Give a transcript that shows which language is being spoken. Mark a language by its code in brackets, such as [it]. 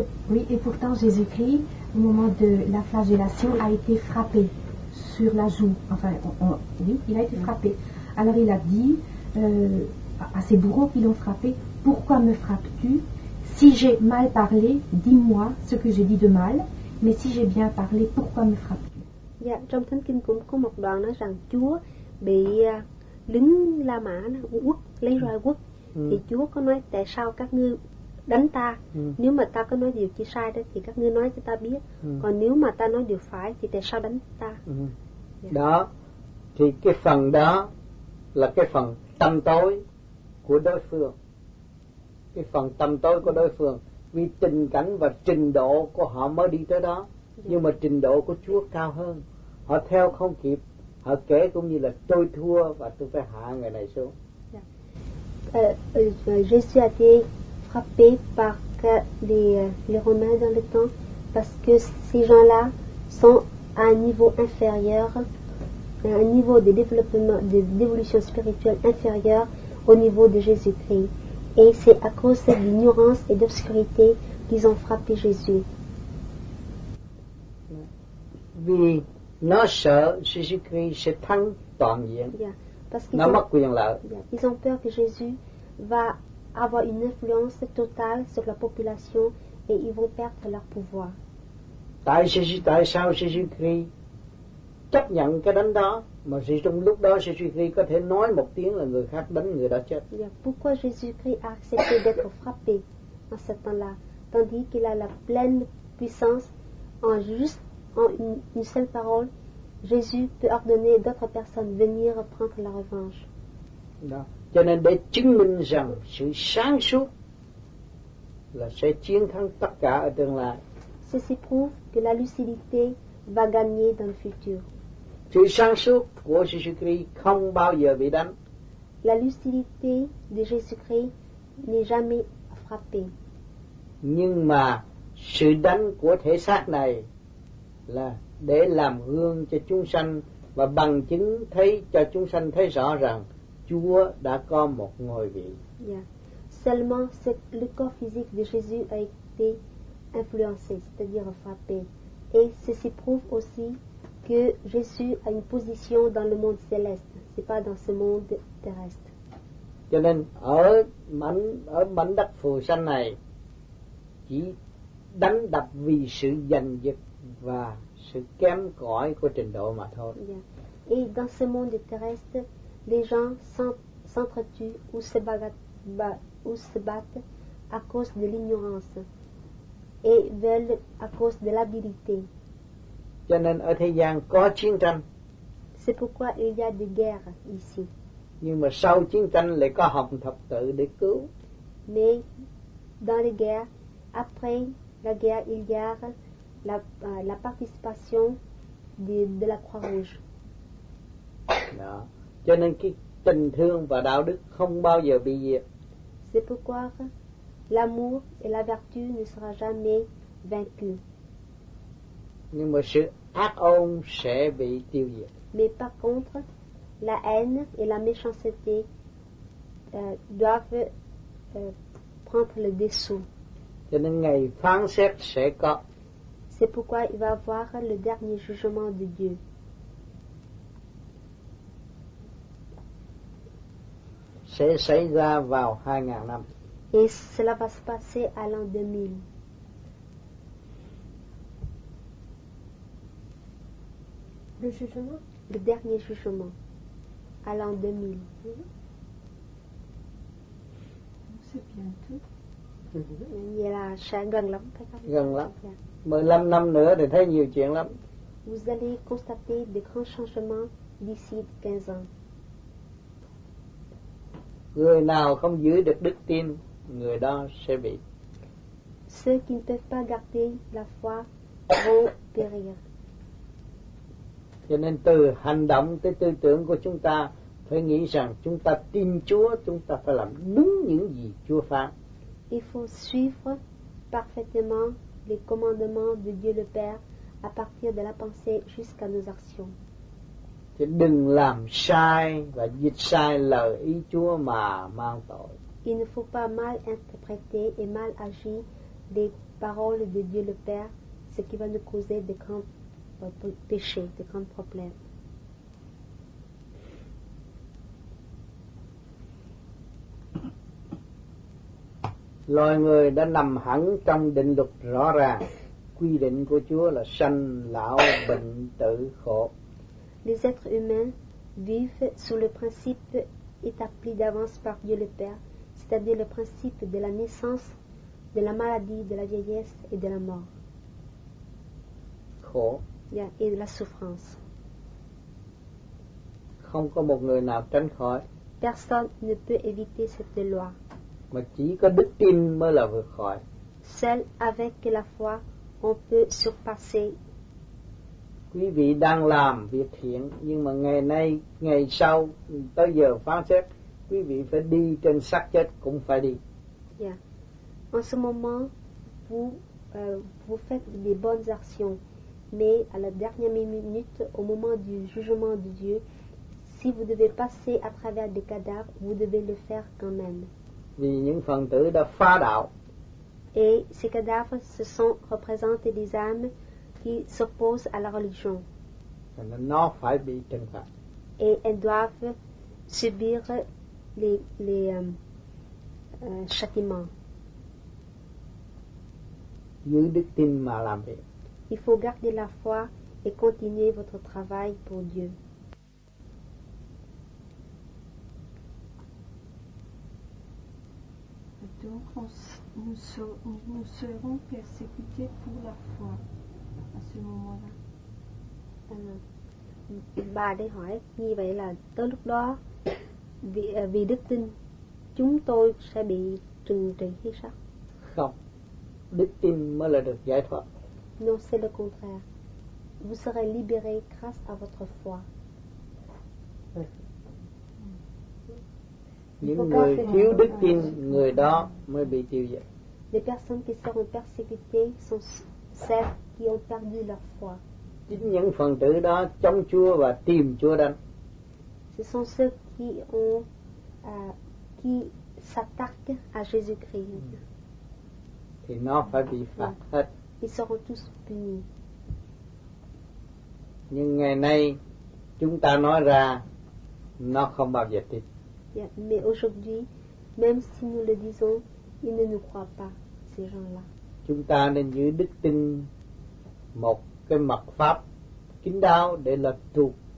[fr] Oui, et pourtant Jésus-Christ, au moment de la flagellation, a été frappé sur la joue. Enfin, il a été frappé. Alors il a dit à ses bourreaux qui l'ont frappé, « Pourquoi me frappes-tu? Si j'ai mal parlé, dis-moi ce que j'ai dit de mal, mais si j'ai bien parlé, pourquoi me frappes-tu? » [vi] Dạ, trong Thánh Kinh cũng có một đoạn nói rằng Chúa bị lính La Mã quất, lấy roi quất. Thì Chúa có nói, tại sao các ngươi đánh ta? Nếu mà ta có nói điều chỉ sai đó thì các ngươi nói cho ta biết. Còn nếu mà ta nói điều phải thì tại sao đánh ta? Đó, thì cái phần đó là cái phần tâm tối của đối phương. Cái phần tâm tối của đối phương vì tình cảnh và trình độ của họ mới đi tới đó. Nhưng mà trình độ của Chúa cao hơn, họ theo không kịp, họ kể cũng như là tôi thua và tôi phải hạ người này xuống. [fr] Jésus a été frappé par les Romains dans le temps parce que ces gens-là sont à un niveau inférieur, à un niveau de développement, de d'évolution spirituelle inférieure au niveau de Jésus-Christ. Et c'est à cause de l'ignorance et d'obscurité qu'ils ont frappé Jésus. [vi] Vì nó sợ Jésus-Christ sẽ thắng toàn diện. Nó mất quyền lợi. [fr] Ils ont peur que Jésus va avoir une influence totale sur la population et ils vont perdre leur pouvoir. [vi] Tại sao Jésus-Christ chấp nhận cái đánh đó mà trong lúc đó Jésus-Christ có thể nói một tiếng là người khác đánh người đó chết. [fr] Pourquoi Jésus-Christ a accepté d'être frappé à ce temps-là tandis qu'il a la pleine puissance en juste en une seule parole, Jésus peut ordonner d'autres personnes venir prendre la revanche. [vi] Đó. Cho nên để chứng minh rằng sự sáng suốt là sẽ chiến thắng tất cả ở tương lai. [fr] Ceci prouve que la lucidité va gagner dans le futur. [vi] Sự sáng suốt của Jésus-Christ không bao giờ bị đánh. [fr] La lucidité de Jésus-Christ n'est jamais frappée. [vi] Nhưng mà sự đánh của thể xác này là để làm gương cho chúng sanh và bằng chứng thấy cho chúng sanh thấy rõ rằng Chúa đã có một ngôi vị. [fr] Seulement le corps physique de Jésus a été influencé, c'est-à-dire frappé, et ceci prouve aussi que Jésus a une position dans le monde céleste, c'est pas dans ce monde terrestre. [vi] Cho nên ở mảnh đất phù sa này chỉ đánh đập vì sự giành giật và sự kém cỏi của trình độ mà thôi. [fr] Et dans ce monde terrestre, les gens s'entretuent ou se battent à cause de l'ignorance et veulent à cause de l'habilité. [vi] Cho nên ở thế gian có chiến tranh. [fr] C'est pourquoi il y a des guerres ici. [vi] Nhưng mà sau chiến tranh lại có hồng thập tự để cứu. [fr] Mais dans les guerres, après la guerre, il y a la participation de la Croix-Rouge. [vi] Đó. Cho nên cái tình thương và đạo đức không bao giờ bị diệt. [fr] C'est pourquoi l'amour et la vertu ne sera jamais vaincu. [vi] Nhưng mà sự ác ôn sẽ bị tiêu diệt. [fr] Mais par contre, la haine et la méchanceté doivent prendre le dessous. [vi] Cho nên ngày phán xét sẽ có. [fr] C'est pourquoi il va avoir le dernier jugement de Dieu. [vi] Sẽ xảy ra vào 2000 năm. [fr] Et cela va se passer à l'an 2000. Le jugement? Le dernier jugement. À l'an 2000. C'est bientôt. [vi] Vậy là sẽ gần lắm, phải không? Gần lắm. 15 năm nữa thì thấy nhiều chuyện lắm. [fr] Vous allez constater de grands changements d'ici 15 ans. [vi] Người nào không giữ được đức tin, người đó sẽ bị. [fr] Ceux qui ne peuvent pas garder la foi vont périr. [vi] Cho nên từ hành động tới tư tưởng của chúng ta phải nghĩ rằng chúng ta tin Chúa, chúng ta phải làm đúng những gì Chúa phán. [fr] Il faut suivre parfaitement les commandements de Dieu le Père à partir de la pensée jusqu'à nos actions. [vi] Chứ đừng làm sai và dịch sai lời ý Chúa mà mang tội. [fr] Il ne faut pas mal interpréter et mal agir des paroles de Dieu le Père, ce qui va nous causer de grands péchés, de grands problèmes. [vi] Loài người đã nằm hẳn trong định luật rõ ràng, quy định của Chúa là sanh, lão, bệnh, tử, khổ. [fr] Les êtres humains vivent sous le principe établi d'avance par Dieu le Père, c'est-à-dire le principe de la naissance, de la maladie, de la vieillesse et de la mort. [vi] Khổ. [fr] Yeah, et de la souffrance. [vi] Không có một người nào tránh khỏi. [fr] Personne ne peut éviter cette loi. [vi] Mà chỉ có đức tin mới là vượt khỏi. [fr] Seul avec la foi, on peut surpasser. [vi] Quý vị đang làm việc thiện, nhưng mà ngày nay, ngày sau, tới giờ phán xét, quý vị phải đi trên xác chết cũng phải đi. [fr] Yeah. En ce moment, vous faites des bonnes actions, mais à la dernière minute, au moment du jugement de Dieu, si vous devez passer à travers des cadavres, vous devez le faire quand même. [vi] Vì những phần tử đã phá đạo. [fr] Et ces cadavres, ce sont représentés des âmes qui s'opposent à la religion. [vi] Nó phải bị trừng phạt. [fr] Et elles doivent subir les châtiments. [vi] Giữ đức tin mà làm việc. [fr] Il faut garder la foi et continuer votre travail pour Dieu. Donc nous serons persécutés pour la foi à ce moment-là. [vi] Bà đây hỏi như vậy là tới lúc đó vì đức tin chúng tôi sẽ bị trừng trị hay sao? Không, đức tin mới là được giải thoát. [fr] Non, c'est le contraire. Vous serez libéré grâce à votre foi. [vi] Những người thiếu đức tin, người đó mới bị tiêu diệt. [fr] Les personnes qui seront persécutées sont celles qui ont perdu leur foi. [vi] Chính những phần tử đó chống Chúa và tìm Chúa đánh. [fr] Ce sont ceux qui ont qui s'attaquent à Jésus-Christ. [vi] Thì nó phải bị phạt hết. [fr] Ils seront tous punis. [vi] Nhưng ngày nay chúng ta nói ra, nó không bao giờ tin. [fr] Yeah, mais aujourd'hui, même si nous le disons, ils ne nous croient pas, ces gens-là. [vi] Chúng ta nên giữ đức tin một cái mật pháp kín đáo để lập thù.